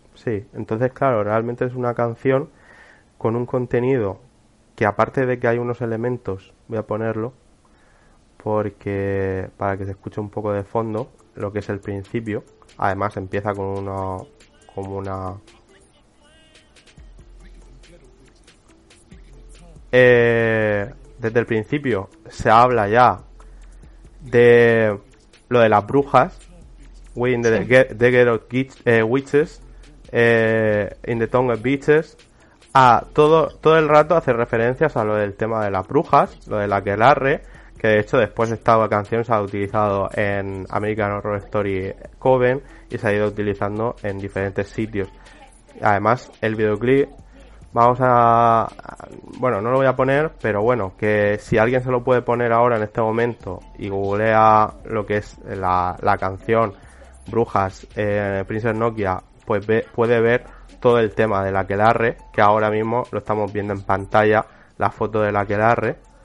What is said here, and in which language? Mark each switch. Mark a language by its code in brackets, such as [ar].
[es] Sí, entonces claro, realmente es una canción con un contenido que, aparte de que hay unos elementos, voy a ponerlo, porque para que se escuche un poco de fondo lo que es el principio. Además empieza con una desde el principio se habla ya de lo de las brujas. [en] "We in the ghetto witches in the tongue of bitches". [es] Todo el rato hace referencias a lo del tema de las brujas, lo de la aquelarre, que de hecho después esta canción se ha utilizado en American Horror Story Coven y se ha ido utilizando en diferentes sitios. Además, el videoclip, bueno, no lo voy a poner, pero bueno, que si alguien se lo puede poner ahora en este momento y googlea lo que es la canción Brujas, Princess Nokia, pues puede ver todo el tema de la aquelarre, que ahora mismo lo estamos viendo en pantalla, la foto de la aquelarre.